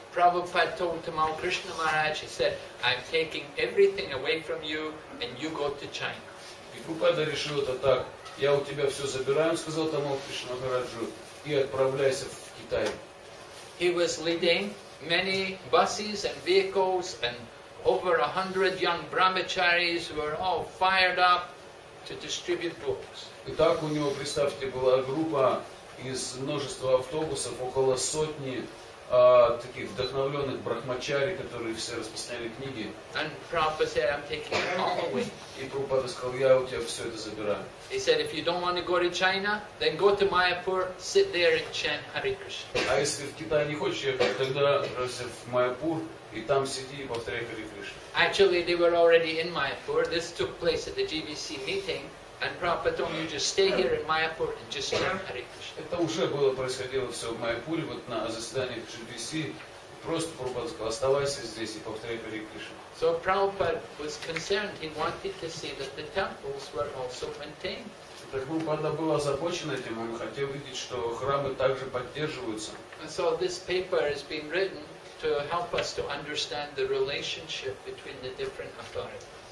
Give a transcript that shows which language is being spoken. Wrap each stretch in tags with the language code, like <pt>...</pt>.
<en>Prabhupada told Tamal Krishna Maharaj, he said, I'm taking everything away from you and you go to China.</en> <ru>И Прабхупада решил это так. я у тебя все забираю, он сказал тому Кришна Махараджу, и отправляйся в Китай.</ru> <en>He was leading many buses and vehicles, and over 100 young brahmacharis were all fired up to distribute books.</en> <ru>И так у него, представьте, была группа из множества автобусов, около сотни таких вдохновленных брахмачари, которые все распространяли книги.</ru> <en>And Prabhupada said, I'm taking it all away.</en> <ru>И Прабхупада сказал, я у тебя все это забираю.</ru> <en>He said, if you don't want to go to China, then go to Mayapur, sit there and chant Hare Krishna.</en> <ru>А если в Китай не хочешь ехать, тогда разве в Майяпур и там сиди и повторяй Hare Krishna.</ru> <en>Actually, they were already in Mayapur. This took place at the GBC meeting. And Prabhupada told me, you just stay here in Mayapur and just chant Hare Krishna.</en> <ru>Это уже было происходило все в Майяпуре, вот на заседании GBC. Просто Прабхупада сказал, оставайся здесь и повторяй Hare Krishna.</ru> <en>So Prabhupada was concerned, he wanted to see that the temples were also maintained.</en> <ru>Так Прабхупада был озабочен этим, он хотел видеть, что храмы также поддерживаются.</ru> <en>And so this paper has been written to help us to understand the relationship between the different authorities.</en>